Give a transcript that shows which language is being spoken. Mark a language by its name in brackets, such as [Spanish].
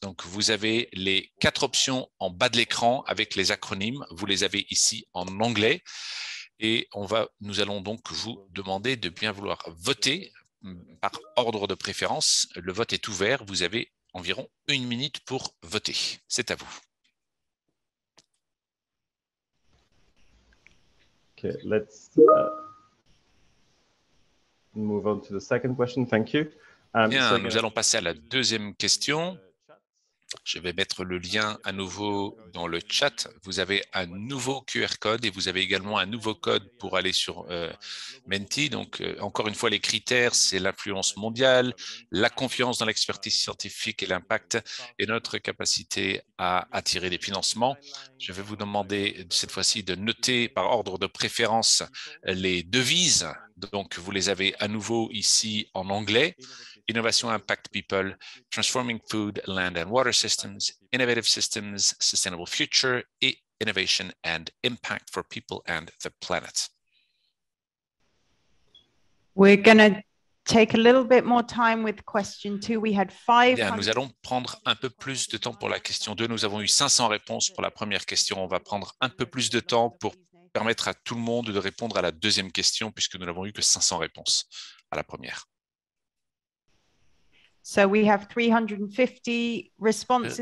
[French] Donc, vous avez les quatre options en bas de l'écran avec les acronymes. Vous les avez ici en anglais. Et nous allons donc vous demander de bien vouloir voter par ordre de préférence. Le vote est ouvert. Vous avez environ une minute pour voter. C'est à vous. [English] Okay, let's move on to the second question. Thank you. [French] Bien, nous allons passer à la deuxième question. Je vais mettre le lien à nouveau dans le chat. Vous avez un nouveau QR code et vous avez également un nouveau code pour aller sur Menti. Donc, encore une fois, les critères, c'est l'influence mondiale, la confiance dans l'expertise scientifique et l'impact et notre capacité à attirer des financements. Je vais vous demander cette fois-ci de noter par ordre de préférence les devises. Donc, vous les avez à nouveau ici en anglais. [English] Innovation, impact, people, transforming food, land and water systems, innovative systems, sustainable future, et innovation and impact for people and the planet. We're going to take a little bit more time with question two. We had 500. [French] Bien, nous allons prendre un peu plus de temps pour la question 2. Nous avons eu 500 réponses pour la première question. On va prendre un peu plus de temps pour permettre à tout le monde de répondre à la deuxième question puisque nous n'avons eu que 500 réponses à la première. [English] So we have 350 responses.